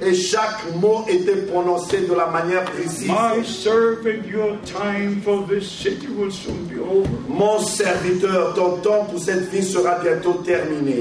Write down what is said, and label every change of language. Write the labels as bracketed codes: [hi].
[fr] Et chaque mot était prononcé de la manière précise. [en] My servant, your time for this city will soon be over. [fr] Mon serviteur, ton temps pour cette vie sera bientôt terminé.